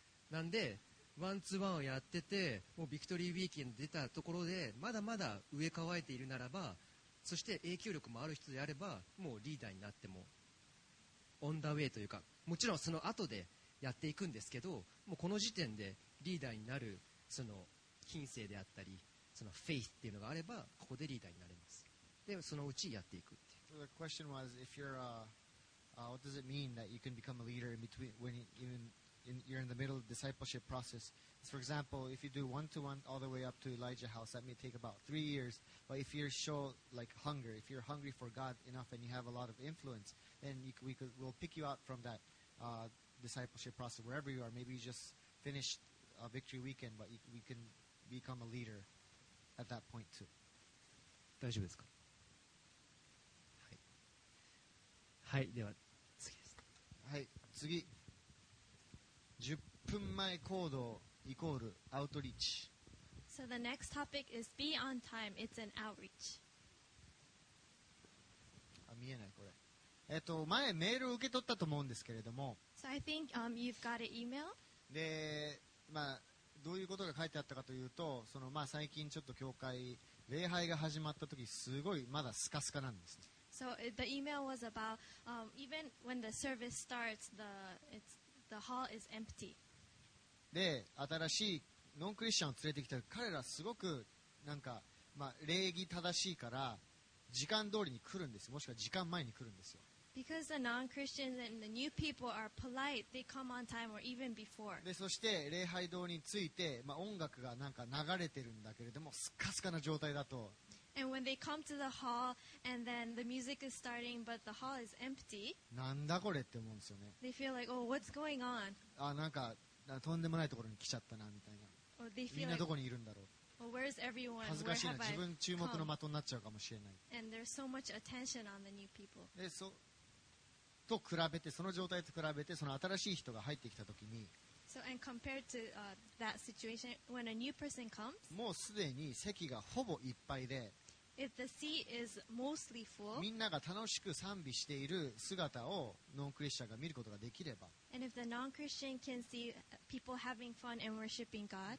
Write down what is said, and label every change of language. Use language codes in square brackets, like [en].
[ja] なんでワンツーワンをやってて、もうビクトリーウィーケンド出たところでまだまだ上乾いているならば、そして影響力もある人であれば、もうリーダーになってもオンダウェイというか、もちろんその後でやっていくんですけど、もうこの時点でリーダーになるその品性であったり、そのフェイスっていうのがあれば、ここでリーダーになれます。でそのうちやっていくっていう。 [en] So the question was, if you're what does it mean that you can become a leader in between, when you're in the middle of the discipleship process? For example, if you do one-to-one all the way up to Elijah House, that may take about 3 years. But if you show like hunger, if you're hungry for God enough and you have a lot of influence, then we'll pick you out from that discipleship process wherever you are. Maybe you just finished a victory weekend, but we can become a leader at that point too. [ja] 大丈夫ですか？はい、では次です。はい、次。 10分前行動イコールアウトリーチ。 [en] So the next topic is be on time. It's an outreach. [ja] あ、見えないこれ。前メールを受け取ったと思うんですけれども。 [en] So I think you've got an email. [ja] で、まあどういうことが書いてあったかというと、そのまあ最近ちょっと教会礼拝が始まった時、すごいまだスカスカなんですね。 [en] So the email was about even when the service starts, the hall is empty. [ja] で、新しいノンクリスチャンを連れてきた彼らすごくなんか、まあ、礼儀正しいから時間通りに来るんです。もしくは時間前に来るんですよ。 [en] Because the non-Christians and the new people are polite, they come on time or even before. [ja] で、そして礼拝堂について、まあ、音楽がなんか流れてるんだけれども、スカスカな状態だと、 [en] And when they come to the hall, and then the music is starting, but the hall is empty. [ja] なんだこれって思うんですよね。 [en] They feel like, oh, what's going on? [ja] あ、なんかとんでもないところに来ちゃったなみたいな。 [en] Or they feel [ja] みんなどこにいるんだろう。 [en] Well, where's everyone? [ja] 恥ずかしいな。自分注目の的になっちゃうかもしれない。 [en] And there's so much attention on the new people. [ja] で、と比べて、その状態と比べて、その新しい人が入ってきたときに。 [en] So and compared to that situation, when a new person comes, [ja] もうすでに席がほぼいっぱいで、 [en] if the seat is mostly full, [ja] みんなが楽しく賛美している姿をノンクリスチャンが見ることができれば、 [en] and if the non-Christian can see people having fun and worshiping God,